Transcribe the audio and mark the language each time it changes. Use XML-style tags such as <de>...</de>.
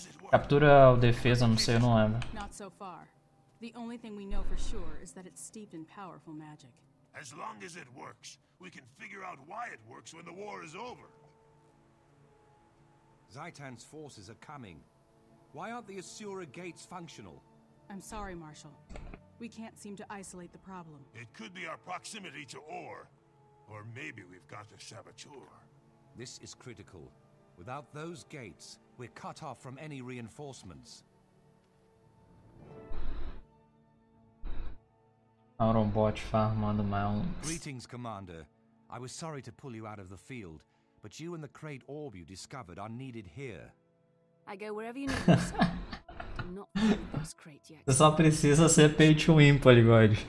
<pt>Captura ou defesa, não sei, eu não lembro.</pt> <en>The only thing we know for sure is that it's steeped in powerful magic. As long as it works, we can figure out why it works when the war is over. Zaitan's forces are coming. Why aren't the Asura gates functional? I'm sorry, Marshal. We can't seem to isolate the problem. It could be our proximity to Orr. Or maybe we've got the saboteur. This is critical. Without those gates, we're cut off from any reinforcements.</en> <pt>Autobot farmando mais um.</pt> <en>Greetings, Commander. I was sorry to pull you out of the field, but you and the crate orb you discovered are needed here. I go wherever you need me, sir. I'm not in this crate yet.</en> <pt>Você só precisa ser</pt> <en>pay to win,</en> <pt>Polygon.</pt>